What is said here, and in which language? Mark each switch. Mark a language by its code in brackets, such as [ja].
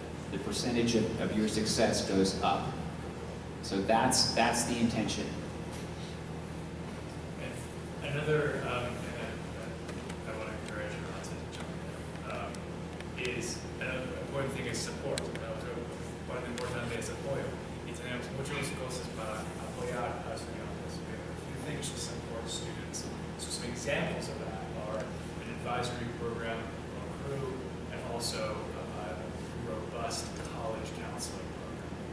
[en] The percentage of your success goes up. So that's the intention. another, I want to encourage everyone to jump in, is an important thing is support. So one of the important things is apoyo. [es] Y tenemos muchas cosas para apoyar a estudiantes. [en] We have a few things to support students. So some examples of that are an advisory program, a crew, and also a robust college counseling program.